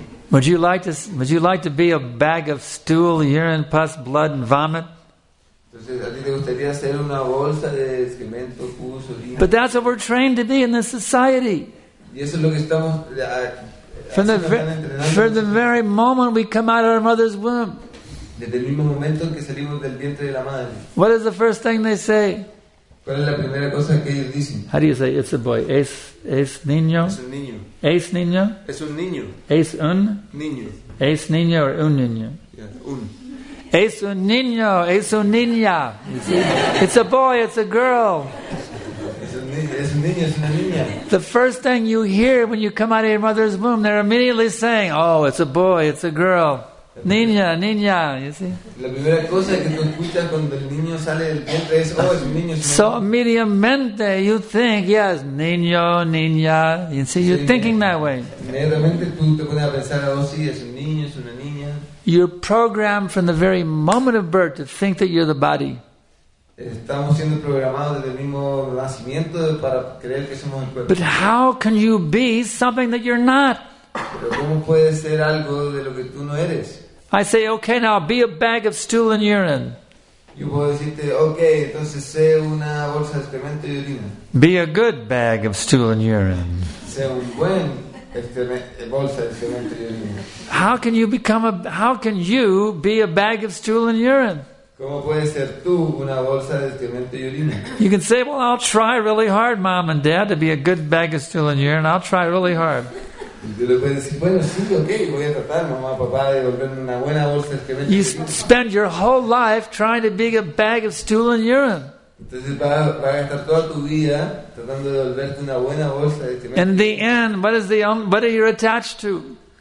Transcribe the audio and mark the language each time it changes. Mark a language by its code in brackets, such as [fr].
[en] Would you like to be a bag of stool, urine, pus, blood, and vomit? But that's what we're trained to be in this society. From the very moment we come out of our mother's womb. [es] Desde el mismo momento en que salimos del vientre de la madre. [en] What is the first thing they say? [es] ¿Cuál es la primera cosa que ellos dicen? [en] How do you say it's a boy? [es] Es niño. Es un niño. Es niño. Es un niño. Es un niño. Es niño or un niño. [en] Yeah, [es] un. Es un niño. Es un niña. [en] It's a boy. It's a girl. [es] Es un niño. Es una niña. [en] The first thing you hear when you come out of your mother's womb, they're immediately saying, "Oh, it's a boy. It's a girl." [es] Niña, niña, [en] you see? [es] La primera cosa que tú escuchas cuando el niño sale del vientre es, oh, es un niño. [en] So immediately you think, yes, [es] niño, niña, [en] you see, you're thinking that way. [es] Inmediatamente tú te pones a pensar, oh, sí, es un niño, es una niña. [en] You're programmed from the very moment of birth to think that you're the body. [es] Estamos siendo programados desde el mismo nacimiento para creer que somos el cuerpo. [en] But how can you be something that you're not? [es] Pero ¿cómo puede ser algo de lo que tú no eres? [en] I say, okay, now be a bag of stool and urine. [es] Yo puedo decirte, okay, entonces sé una bolsa de excremento y orina. [en] Be a good bag of stool and urine. [es] Sé un buen bolsa de excremento y orina. [en] How can you be a bag of stool and urine? [es] ¿Cómo puede ser tú una bolsa de excremento y orina? [en] You can say, well, I'll try really hard, mom and dad, to be a good bag of stool and urine. I'll try really hard. You spend your whole life trying to be a bag of stool and urine. In the end, what are you attached to?